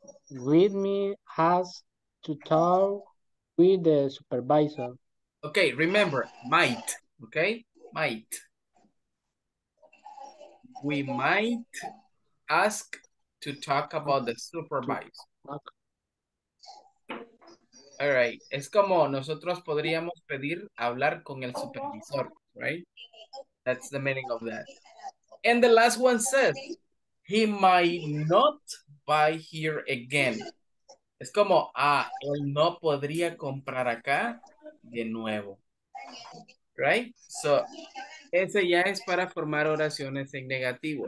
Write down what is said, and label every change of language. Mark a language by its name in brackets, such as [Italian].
[English] With me has to talk with the supervisor. Okay, remember, might. Okay, might. We might ask to talk about the supervisor. All right. [Spanish] Es como nosotros podríamos pedir hablar con el supervisor, right? [English] That's the meaning of that. And the last one says, he might not buy here again. [Spanish] Es como, él no podría comprar acá de nuevo. Right? So, ese ya es para formar oraciones en negativo.